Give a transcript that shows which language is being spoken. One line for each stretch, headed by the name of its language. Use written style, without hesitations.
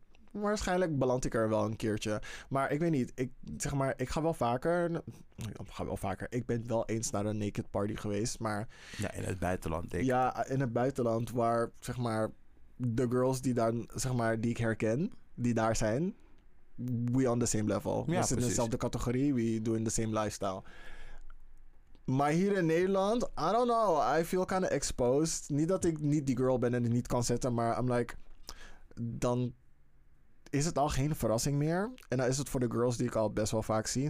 Dutch: Waarschijnlijk beland ik er wel een keertje. Maar ik weet niet. Ik ga wel vaker... Ik ben wel eens naar een naked party geweest, maar... Ja, in het buitenland, denk ik. Ja, in het buitenland waar, zeg maar... De girls die dan, zeg maar, die ik herken... Die daar zijn,
English: we on the same level.
Dutch: Ja, we zitten in dezelfde categorie,
English: we doing the same lifestyle.
Dutch: Maar hier in Nederland,
English: I don't know, I feel kind of exposed.
Dutch: Niet dat ik niet die girl ben en het niet kan zetten, maar
English: I'm like,
Dutch: dan is het al geen verrassing meer. En dan is het voor de girls die ik al best wel vaak zie.